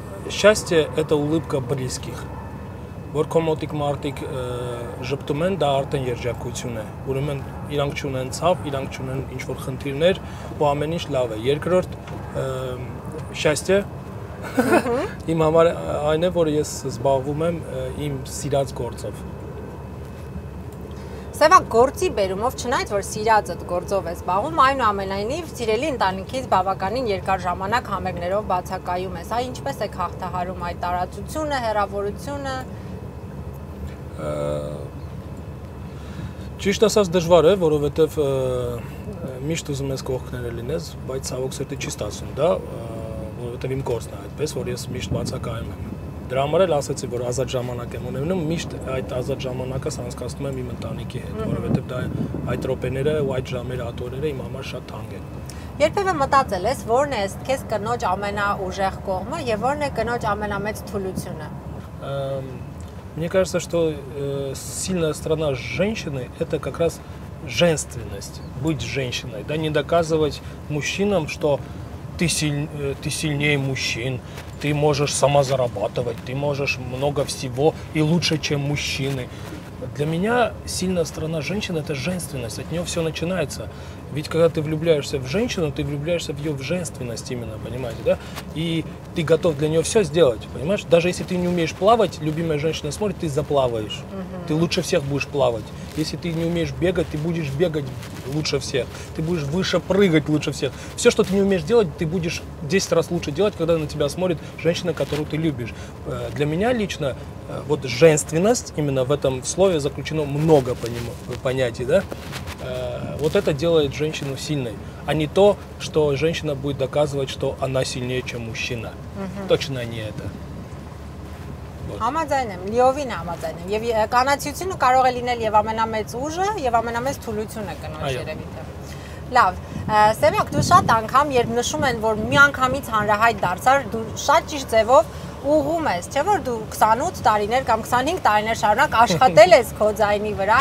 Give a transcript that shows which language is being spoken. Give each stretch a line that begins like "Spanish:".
Russian: Счастье – это улыбка близких.
Armenian: Որքո մոտիկ մարդիկ ժպտում են, դա արդեն երջակություն է, ուրեմն իրանք չունեն ցավ, իրանք չունեն ինչ-որ խնդիրներ ու ամեն ինչ լավ է։ Երկրորդ շաստե իմ համար այն է, որ ես զբաղվում եմ իմ սիրած գործով։ Սևակ, գործի բերումով չնայած, որ սիրածդ գործով ես զբաղվում, այնուամենայնիվ սիրելի ընտանիքից բավականին երկար ժամանակ համերգներով բացակայում ես, այ ինչպես եք հաղթահարում այդ տարածությունը, հեռավորությունը։ Ճիշտ ասած դժվար է, որովհետև միշտ ուզում ես կողքները լինես, բայց ցավոք սրտի չի ստացվում դա, որովհետև իմ գործն է այդպես, որ ես միշտ բացակայում եմ։ Դրա համար էլ ասացի, որ ազատ ժամանակ եմ ունենում, միշտ այդ ազատ ժամանակս անցկացնում եմ իմ ընտանիքի հետ, որովհետև դա այդ րոպեները ու այդ ժամերը, այդ օրերը իմ համար շատ թանկ են։ Երբևէ մտածել ես, որն է քեզ կնոջ ամենաուժեղ կողմը և որն է կնոջ ամենամեծ թուլությունը։
Russian: Мне кажется, что сильная сторона женщины – это как раз женственность, быть женщиной. Да, не доказывать мужчинам, что ты сильнее мужчин, ты можешь сама зарабатывать, ты можешь много всего и лучше, чем мужчины. Для меня сильная сторона женщины – это женственность, от нее все начинается. Ведь когда ты влюбляешься в женщину, ты влюбляешься в ее в женственность именно, понимаете, да? И ты готов для нее все сделать, понимаешь? Даже если ты не умеешь плавать, любимая женщина смотрит, ты заплаваешь. Mm-hmm. Ты лучше всех будешь плавать. Если ты не умеешь бегать, ты будешь бегать лучше всех. Ты будешь выше прыгать лучше всех. Все, что ты не умеешь делать, ты будешь 10 раз лучше делать, когда на тебя смотрит женщина, которую ты любишь. Для меня лично вот женственность, именно в этом слове заключено много понятий, да? Вот это делает женщину сильной, а не то, что женщина будет доказывать, что она сильнее, чем мужчина. Угу. Точно не это.
Armenian: Համաձայնեմ, լիովին համաձայնեմ, եւ կանացիությունը կարող է լինել եւ ամենամեծ ուժը, եւ ամենամեծ թուլությունը կնոջ երևիտը։ Լավ, Սեմյակ, դու շատ անգամ, երբ նշում են, որ միանգամից հանրահայտ դարձար, դու շատ ճիշտ ձևով ուղում ես, չէ՞ որ դու 28 տարիներ կամ 25 տարիներ շարունակ աշխատել ես քո ձայնի վրա։